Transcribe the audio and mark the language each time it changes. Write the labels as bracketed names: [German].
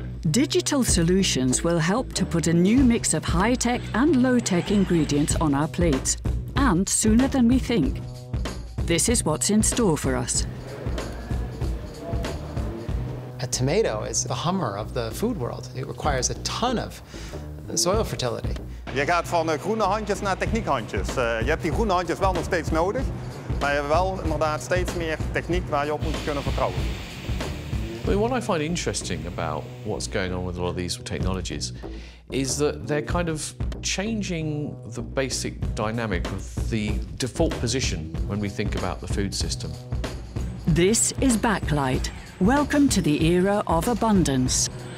[English] Digital solutions will help to put a new mix of high-tech and low-tech ingredients on our plates, and sooner than we think. This is what's in store for us. A tomato is the Hummer of the food world. It requires a ton of soil fertility. [Dutch] Je gaat van groene handjes naar techniekhandjes. Je hebt die groene handjes wel nog steeds nodig, maar je hebt wel inderdaad steeds meer techniek waar je op moet kunnen vertrouwen. [English] I mean, what I find interesting about what's going on with all of these technologies is that they're kind of changing the basic dynamic of the default position when we think about the food system. This is backlight. Welcome to the era of abundance.